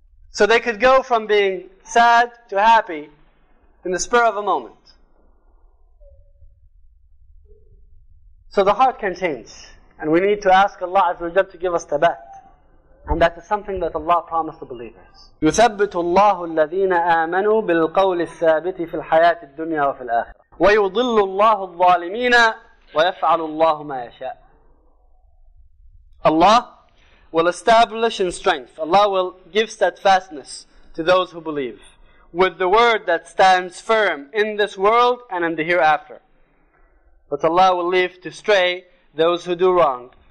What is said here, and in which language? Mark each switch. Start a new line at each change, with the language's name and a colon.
English: So they could go from being sad to happy in the spur of a moment. So the heart can change. And we need to ask Allah Azza wa Jalla to give us thabat And that is something that Allah promised the believers.
Arabic: يثبت الله الذين آمنوا بالقول الثابت في الحياة الدنيا وفي الآخرة. ويضل الله الظالمين ويفعل الله ما يشاء.
English: Allah will establish in strength. Allah will give steadfastness to those who believe with the word that stands firm in this world and in the hereafter. But Allah will leave to stray those who do wrong.